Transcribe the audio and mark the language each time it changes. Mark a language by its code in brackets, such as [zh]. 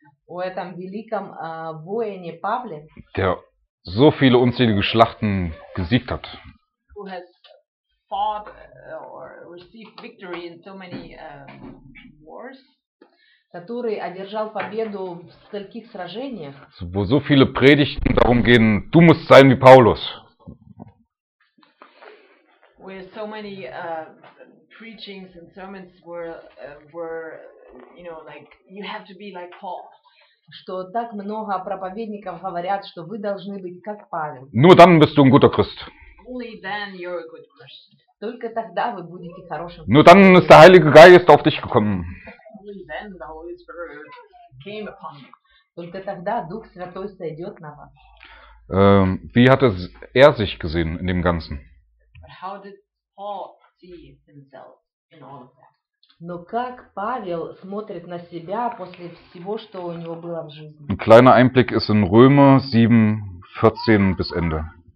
[ru] У этом великом воине Павле, [de] der so viele unzählige Schlachten gesiegt hat, [en] who has fought or received victory in so many wars, [ru] который одержал победу в стольких сражениях, [de] wo so viele Predigten darum gehen, du musst sein wie Paulus, [en] where so many preachings and sermons were you know, like you have to be like Paul. [ru] Что так много проповедников говорят, что вы должны быть как Павел. [de] Nur dann bist du ein guter Christ. [en] Only then you're a good Christian. [ru] Только тогда вы будете хорошим. [de] Nur dann ist der Heilige Geist auf dich gekommen. [en] Only then the Holy Spirit came upon you. [ru] Только тогда Дух Святой сойдет на вас. [de] Wie hat er sich gesehen in dem Ganzen? [en] But how did Paul see himself in all of that? [ru] Но как Павел смотрит на себя после всего, что у него было в жизни? [de] Ein kleiner Einblick ist in Römer 7, 14 bis Ende.